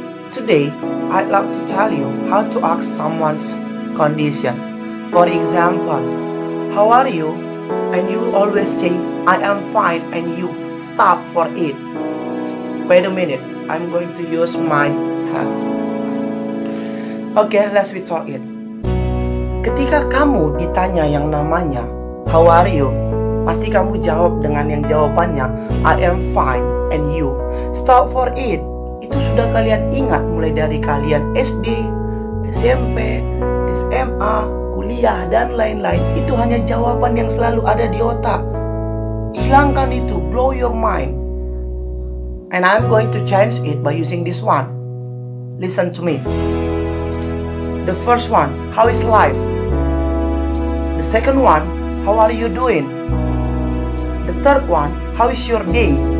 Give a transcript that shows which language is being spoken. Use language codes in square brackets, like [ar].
[en] Today, I'd like to tell you how to ask someone's condition. For example, how are you? And you always say, I am fine, and you stop for it. Wait a minute, I'm going to use my hand. Okay, let's we talk it. [id] Ketika kamu ditanya yang namanya [en] how are you, [id] pasti kamu jawab dengan yang jawabannya [en] I am fine and you. Stop for it. [id] Itu sudah kalian ingat mulai dari kalian SD, SMP, SMA, kuliah dan lain-lain. Itu hanya jawaban yang selalu ada di otak. Hilangkan itu, [en] blow your mind. And I'm going to change it by using this one. Listen to me. The first one, how is life? The second one, how are you doing? The third one, how is your day?